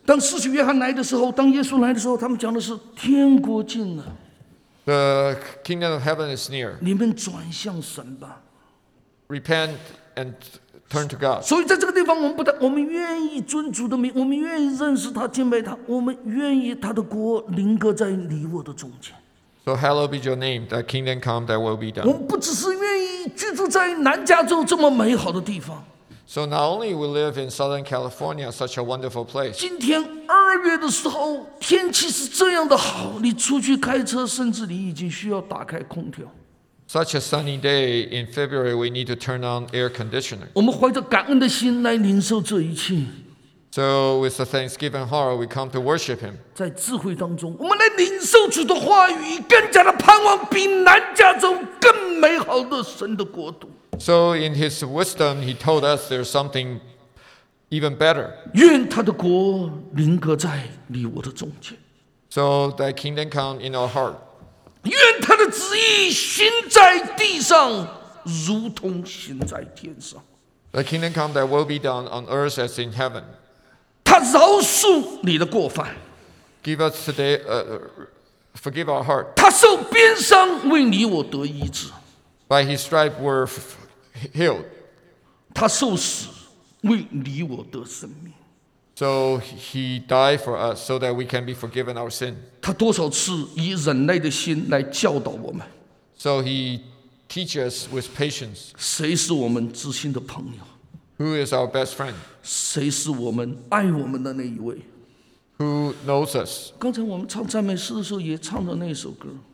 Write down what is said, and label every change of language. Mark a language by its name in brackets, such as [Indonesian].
[Chinese] 当使徒约翰来的时候当耶稣来的时候他们讲的是天国近了 [English] The kingdom of heaven is near [Chinese] 你们转向神吧 [English] Repent and turn to God. [Chinese] 所以在这个地方，我们不但我们愿意尊主的名，我们愿意认识他、敬拜他，我们愿意他的国临格在你我的中间。 [English] So hallowed be your name, that kingdom come, that will be done. [Chinese] 我们不只是愿意居住在南加州这么美好的地方。 [English] So not only we live in Southern California, such a wonderful place. [Chinese] 今天二月的时候，天气是这样的好，你出去开车，甚至你已经需要打开空调。 [English] Such a sunny day in February, we need to turn on air conditioner. [Chinese] 我们怀着感恩的心来领受这一切。 [English] So with a thanksgiving heart, we come to worship Him. [Chinese] 在智慧当中，我们来领受主的话语，更加的盼望比南加州更美好的神的国度。 [English] So in His wisdom, He told us there's something even better. [Chinese] 愿他的国临格在你我的中间。 [English] So that kingdom come in our heart. [Chinese] 愿他的旨意行在地上，如同行在天上。 [English] The kingdom come that will be done on earth as in heaven. [Chinese] 他饶恕你的过犯。 [English] Give us today, forgive our heart. [Chinese] 他受鞭伤，为你我得医治。 [English] By his stripes we're healed. [Chinese] 他受死，为你我得生命。 [English] So he died for us so that we can be forgiven our sin. [Chinese] 他多少次以忍耐的心来教导我们。 [English] So he teaches us with patience. [Chinese] 谁是我们至亲的朋友？ [English] Who is our best friend? [Chinese] 谁是我们爱我们的那一位？ [English] Who knows us? [Chinese] 刚才我们唱赞美诗的时候也唱了那首歌。